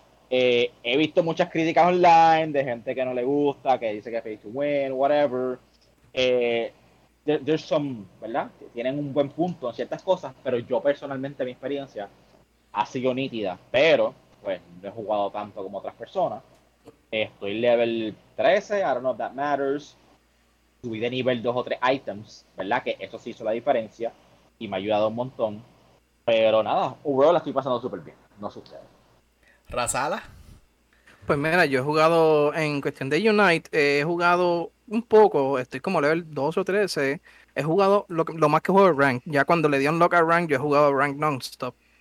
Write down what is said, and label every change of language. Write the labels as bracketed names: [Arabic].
[Spanish] He visto muchas críticas online de gente que no le gusta, que dice que es [English] pay to win, whatever. There's some, [Spanish] ¿verdad? Tienen un buen punto en ciertas cosas, pero yo personalmente mi experiencia ha sido nítida, pero pues no he jugado tanto como otras personas. Estoy [English] level 13, I don't know if that matters. [Spanish] Subí de nivel 2 o 3 items, ¿verdad? Que eso sí hizo la diferencia y me ha ayudado un montón. Pero nada, [English] overall [Spanish] la estoy pasando súper bien, no sé ustedes. Razala. Pues mira, yo he jugado en cuestión de Unite, he jugado un poco, estoy como level 12 o 13, he jugado lo más que juego de rank, ya cuando le di un lock a rank, yo he jugado rank [English] non-stop.